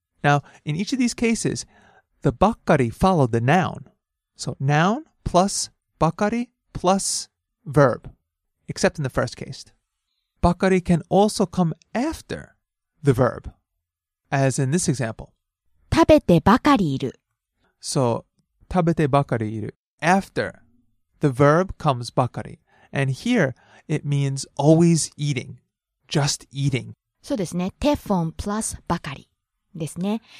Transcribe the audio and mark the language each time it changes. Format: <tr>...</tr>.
<en>Now, in each of these cases, the bakkari followed the noun. So, noun plus bakkari plus verb. Except in the first case. bakari can also come after the verb, as in this example.</en> <ja>食べてばかりいる。 So, 食べてばかりいる。</ja> <en>After, the verb comes ばかり。 And here, it means always eating, just eating.</en> <ja>そうですね。テフォンプラスばかりですね。</ja>